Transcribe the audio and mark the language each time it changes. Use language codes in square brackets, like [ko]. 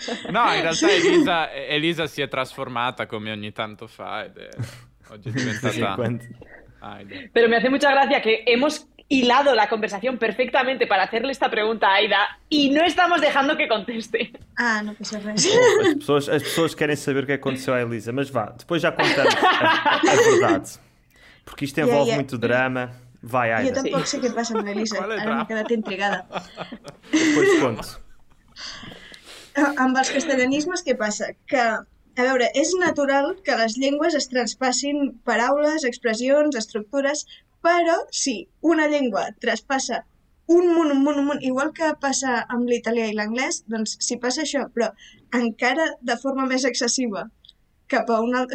[it] No, in realtà Elisa si è trasformata come ogni tanto fa ed è... Oggi è diventata... [es] Però mi hace mucha gracia che hemos... hilado la conversación perfectamente para hacerle esta pregunta a Aida y no estamos dejando que conteste. Ah, no pasa nada. [pt] As pessoas querem saber o que aconteceu a Elisa, mas vá, depois já contamos a verdade. Porque isto envolve muito drama. Vai, Aida. Eu tampouco sei o que passa com a Elisa. [ca] Ara me quedo intrigada. [pt] Depois conto. [ca] Amb els castellanismes, què passa? Que, a veure, és natural que les llengües es traspassin paraules, expressions, estructures... Però sí, una llengua traspassa un munt, igual que passa amb l'italià i l'anglès, doncs si passa això, però encara de forma més excessiva cap a un altre...